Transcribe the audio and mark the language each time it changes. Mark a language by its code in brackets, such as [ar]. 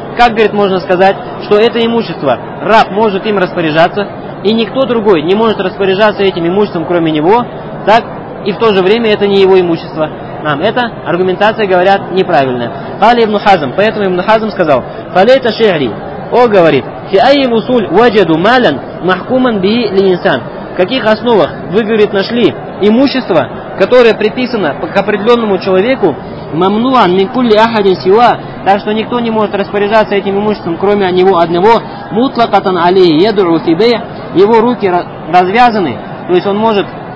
[ru] Как, говорит, можно сказать, что это имущество, раб может им распоряжаться, и никто другой не может распоряжаться этим имуществом, кроме него, так, и в то же время это не его имущество. Нам эта аргументация, говорят, неправильная. Али ибн Хазм, поэтому ибн Хазм сказал, [ar] «Фалейта шиари, [ru] о, говорит, [ar] في أي وصول وجدوا مالا محكوما به للإنسان. [ru] В каких основах вы, говорит, нашли имущество, которое приписано к определенному человеку, [ar] мамнуан мин кулли ахадин сива, [ru] так что никто не может распоряжаться этим имуществом, кроме него одного, [ar] мутлакатан алейхи ядру фи бейъ, [ru] его руки развязаны, то есть он может